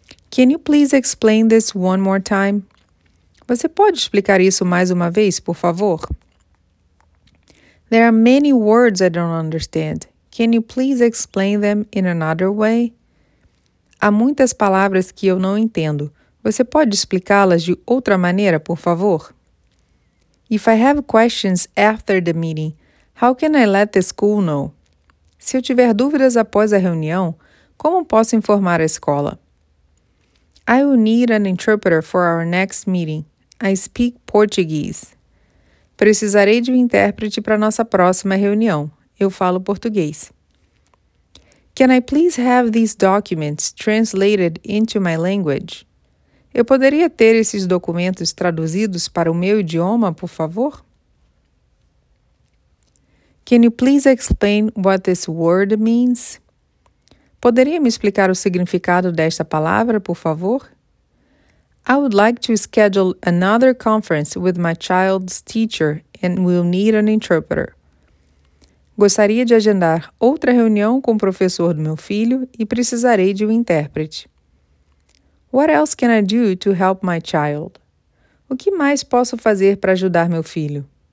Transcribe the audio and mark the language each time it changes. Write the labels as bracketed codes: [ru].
[en] Can you please explain this one more time? [pt] Você pode explicar isso mais uma vez, por favor? [en] There are many words I don't understand. Can you please explain them in another way? [pt] Há muitas palavras que eu não entendo. Você pode explicá-las de outra maneira, por favor? [en] If I have questions after the meeting, how can I let the school know? [pt] Se eu tiver dúvidas após a reunião, como posso informar a escola? [en] I will need an interpreter for our next meeting. I speak Portuguese. [pt] Precisarei de um intérprete para nossa próxima reunião. Eu falo português. [en] Can I please have these documents translated into my language? [pt] Eu poderia ter esses documentos traduzidos para o meu idioma, por favor? [en] Can you please explain what this word means? [pt] Poderia me explicar o significado desta palavra, por favor? [en] I would like to schedule another conference with my child's teacher and will need an interpreter. [pt] Gostaria de agendar outra reunião com o professor do meu filho e precisarei de um intérprete. [en] What else can I do to help my child? [pt] O que mais posso fazer para ajudar meu filho?